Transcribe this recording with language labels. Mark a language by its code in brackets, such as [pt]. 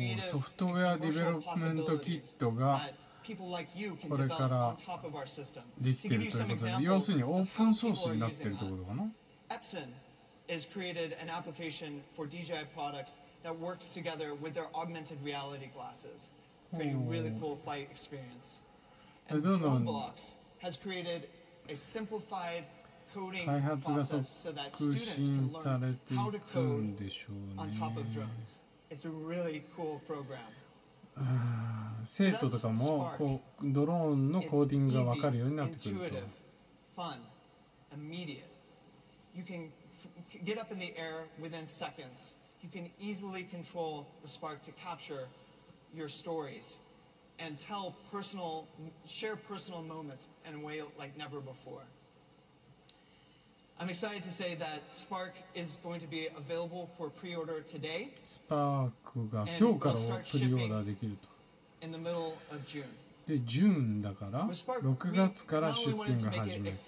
[ja] ソフトウェアディベロップメントキットがこれからできているということで、要するにオープンソースになっているということかな。 [en] Epson has created an application for DJI products that works together with their augmented reality glasses, creating a really cool flight experience. And Roblox has created a simplified coding process so that students can learn how to code on top of drones. It's a really cool program. [ja] 生徒とかもこうドローンのコーディングが分かるようになってくると。 [en] It's easy, intuitive, fun, immediate. You can get up in the air within seconds. You can easily control the Spark to capture your stories and tell personal, share personal moments in a way like never before. I'm excited to say that Spark is going to be available for pre-order today. [ja] Spark が今日からプリオーダーできると。 [en] In the middle of June. [ja] で、ジューンだから6月から出品が始まる。